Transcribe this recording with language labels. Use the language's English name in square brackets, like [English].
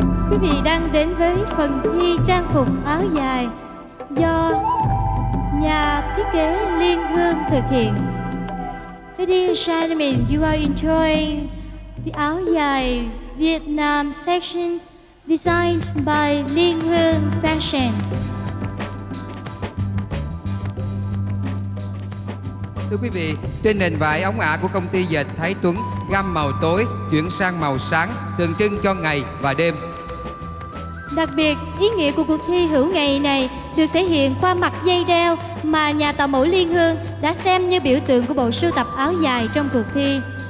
[Vietnamese] quý vị đang đến với phần thi trang phục áo dài do nhà thiết kế Liên Hương thực hiện. [English] Ladies and gentlemen, you are enjoying the áo dài Vietnam section designed by Liên Hương Fashion. [Vietnamese] Thưa quý vị, trên nền vải ống ả của công ty dệt Thái Tuấn, gam màu tối chuyển sang màu sáng, tượng trưng cho ngày và đêm. Đặc biệt, ý nghĩa của cuộc thi hữu ngày này được thể hiện qua mặt dây đeo mà nhà tạo mẫu Liên Hương đã xem như biểu tượng của bộ sưu tập áo dài trong cuộc thi.